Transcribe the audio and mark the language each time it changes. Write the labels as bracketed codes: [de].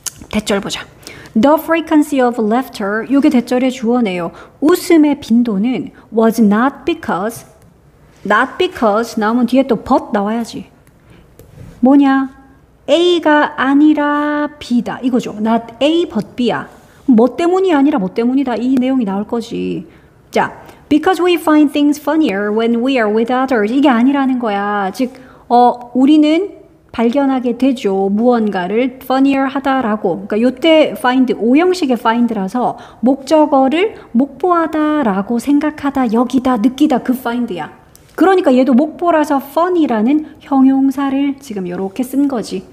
[ko] 대절 보자. [en] The frequency of laughter, [ko] 이게 대절의 주어네요. 웃음의 빈도는 [en] was not because, not because, [ko] 나오면 뒤에 또 but 나와야지. 뭐냐? A가 아니라 B다. 이거죠. not A but B야. 뭐 때문이 아니라 뭐 때문이다. 이 내용이 나올 거지. [en] 자, because we find things funnier when we are with others. [ko] 이게 아니라는 거야. 즉, 우리는 발견하게 되죠. 무언가를 funnier 하다라고. 그러니까 요때 find, 5형식의 find라서 목적어를 목보하다라고 생각하다, 여기다, 느끼다, 그 find야. 그러니까 얘도 목보라서 funny라는 형용사를 지금 요렇게 쓴 거지.